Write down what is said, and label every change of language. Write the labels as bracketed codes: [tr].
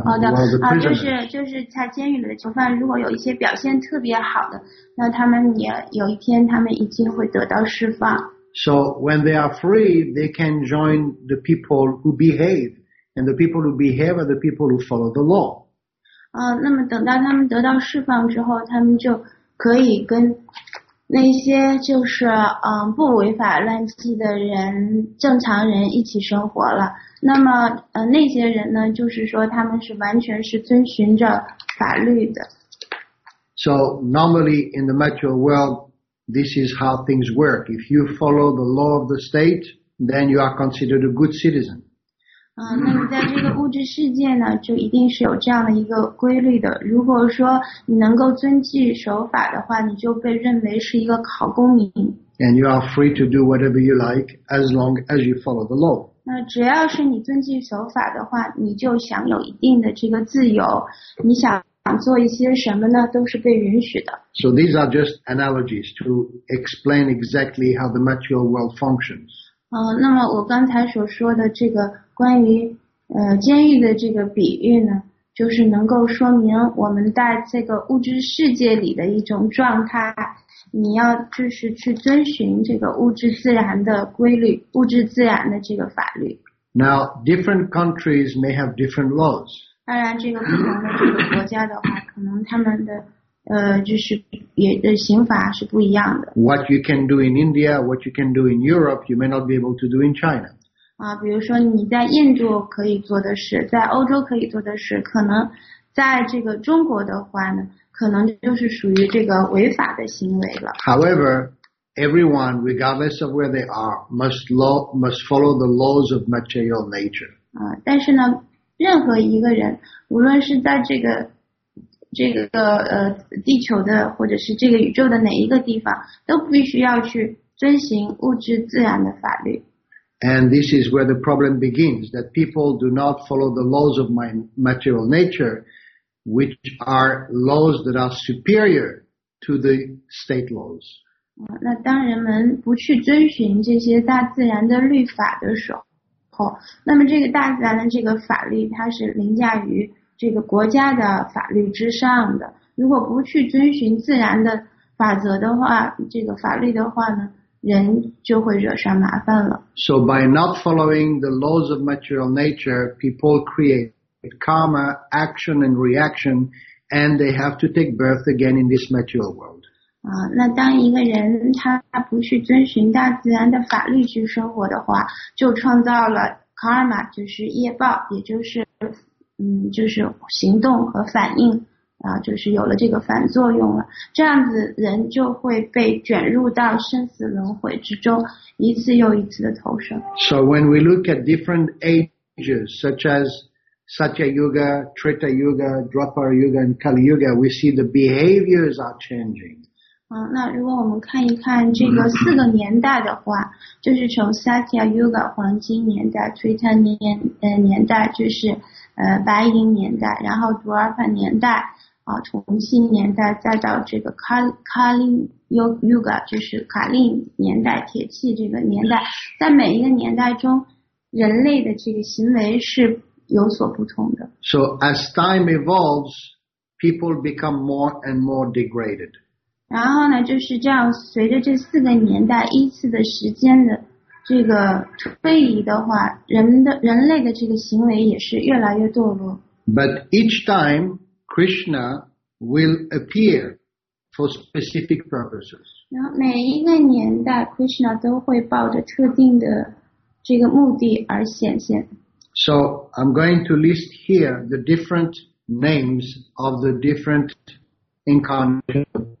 [zh] 好的，就是在监狱里的囚犯，如果有一些表现特别好的，那他们也有一天他们一定会得到释放。 [en] So when they are free, they can join the people who behave, and the people who behave are the people who follow the law. [zh] 那么等到他们得到释放之后，他们就可以跟那些就是不违法乱纪的人，正常人一起生活了。那么那些人呢，就是说他们是完全是遵循着法律的。 [en] So normally in the material world, this is how things work. If you follow the law of the state, then you are considered a good citizen. [zh] 那么在这个物质世界呢，就一定是有这样的一个规律的。如果说你能够遵纪守法的话，你就被认为是一个好公民。 [en] And you are free to do whatever you like as long as you follow the law. [zh] 那只要是你遵纪守法的话，你就享有一定的这个自由。你想做一些什么呢，都是被允许的。 [en] So these are just analogies to explain exactly how the material world functions. [zh] 那么我刚才所说的这个关于监狱的这个比喻呢，就是能够说明我们在这个物质世界里的一种状态。你要就是去遵循这个物质自然的规律，物质自然的这个法律。 [en] Now, different countries may have different laws. [zh] 当然，这个不同的这个国家的话，可能他们的就是也的刑法是不一样的。 [en] What you can do in India, what you can do in Europe, you may not be able to do in China. [zh] 比如说你在印度可以做的事，在欧洲可以做的事，可能在这个中国的话呢，可能就是属于这个违法的行为了。 [en] However, everyone, regardless of where they are, must follow the laws of material nature. [zh] 但是呢，任何一个人，无论是在这个地球的，或者是这个宇宙的哪一个地方，都必须要去遵循物质自然的法律。 [en] And this is where the problem begins, that people do not follow the laws of my material nature, which are laws that are superior to the state laws. [zh] 那当人们不去遵循这些大自然的律法的时候，那么这个大自然的这个法律，它是凌驾于这个国家的法律之上的。如果不去遵循自然的法则的话，这个法律的话呢，人就会惹上麻烦了。 [en] So by not following the laws of material nature, people create karma, action and reaction, and they have to take birth again in this material world. [zh] 那当一个人他不去遵循大自然的法律去生活的话，就创造了 karma, 就是业报，也就是就是行动和反应啊，就是有了这个反作用了。这样子人就会被卷入到生死轮回之中，一次又一次的投生。 [en] So when we look at different ages, such as Satya Yuga, Treta Yuga, Dwapara Yuga, and Kali Yuga, we see the behaviors are changing. [zh] 那如果我们看一看这个四个年代的话，就是从 Satya Yuga 黄金年代、Treta 年代，就是白银年代，然后 Dwapara 年代重庆年代，再到这个 Kali Yuga, 就是卡利年代、铁器这个年代，在每一个年代中，人类的这个行为是有所不同的。 [en] So as time evolves, people become more and more degraded. [zh] 然后呢，就是这样，随着这四个年代依次的时间的这个推移的话，人类的这个行为也是越来越堕落。 [en] But each time, Krishna will appear for specific purposes. [zh] 然后每一个年代 ，Krishna 都会抱着特定的这个目的而显现。 [en] So I'm going to list here the different names of the different incarnations.